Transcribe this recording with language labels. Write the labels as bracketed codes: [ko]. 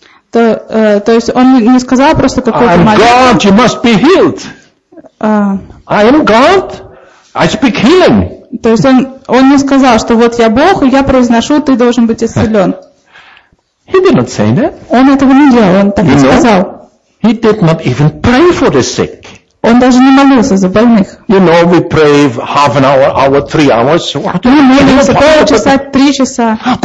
[ru] То есть он не сказал просто какой-то молитву. [en] I'm God, you must be healed. I am God, I speak healing. [ru] То есть он не сказал, что вот я Бог, и я произношу, ты должен быть исцелен. [en] He did not say that. [ru] Он этого не делал, он так не сказал. [en] He did not even pray for the sick. [ru] Он даже не молился за больных. [en] You know, we pray half an hour, hour, 3 hours. [ru] Мы молимся полчаса, 3 часа.